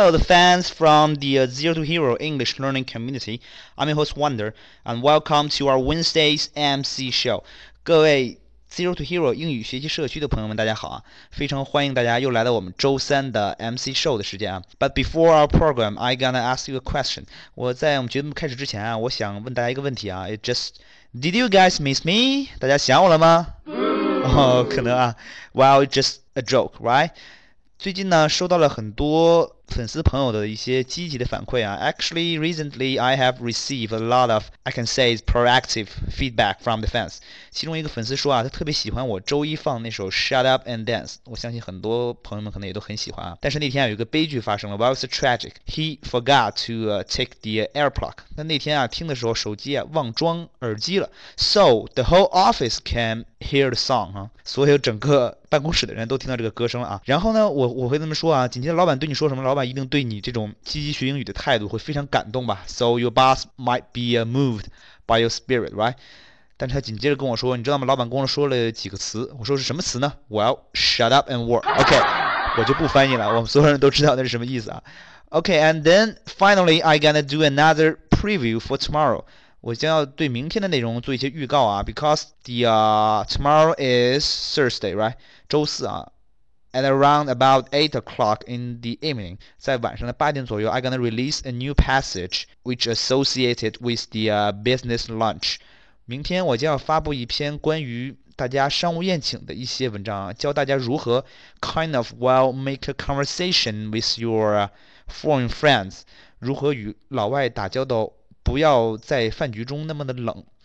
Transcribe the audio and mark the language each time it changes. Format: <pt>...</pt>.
<en>Hello, the fans from the Zero to Hero English Learning Community. I'm your host Wonder, and welcome to our Wednesday's MC Show.</en> <zh>各位 Zero to Hero 英语学习社区的朋友们，大家好啊！非常欢迎大家又来到我们周三的 MC Show 的时间啊。</zh> <en>But before our program, I gonna ask you a question.</en> <zh>我在我们节目开始之前啊，我想问大家一个问题啊。</zh> <en>Did you guys miss me?</en> <zh>大家想我了吗？可能啊。</zh> <en>Well, just a joke, right?</en> <zh>最近呢，收到了很多粉丝朋友的一些积极的反馈啊。</zh> <en>Actually, recently, I have received a lot of, I can say, proactive feedback from the fans.</en> <zh>其中一个粉丝说啊，他特别喜欢我周一放那首 Shut Up and Dance. 我相信很多朋友们可能也都很喜欢啊。但是那天啊，有一个悲剧发生了。</zh> <en>Well, it's tragic. He forgot to take the AirPlug.</en> <zh>那天啊，听的时候手机啊忘装耳机了。</zh> <en>So, the whole office can hear the song, 啊。</en> <zh>所有整个办公室的人都听到这个歌声了啊。然后呢，我会这么说啊，紧接着老板对你说什么，老板一定对你这种积极学英语的态度会非常感动吧。</zh> <en>So your boss might be moved by your spirit, right?</en> <zh>但是他紧接着跟我说，你知道吗，老板跟我说了几个词，我说是什么词呢？</zh> <en>Well, shut up and work.</en> <zh>OK, 我就不翻译了，我们所有人都知道那是什么意思啊。</zh> <en>OK, and then finally I gonna do another preview for tomorrow.</en> <zh>我将要对明天的内容做一些预告啊。</zh> <en>Because the tomorrow is Thursday, right?</en> <zh>周四啊。</zh> <en>And around about 8 o'clock in the evening,</en> <zh>在晚上的八点左右</zh> <en>I'm going to release a new passage which associated with the business lunch.</en> <zh>明天我将要发布一篇关于大家商务宴请的一些文章，教大家如何</zh> <en>kind of well make a conversation with your foreign friends,</en> <zh>如何与老外打交道，不要在饭局中那么的冷。</zh>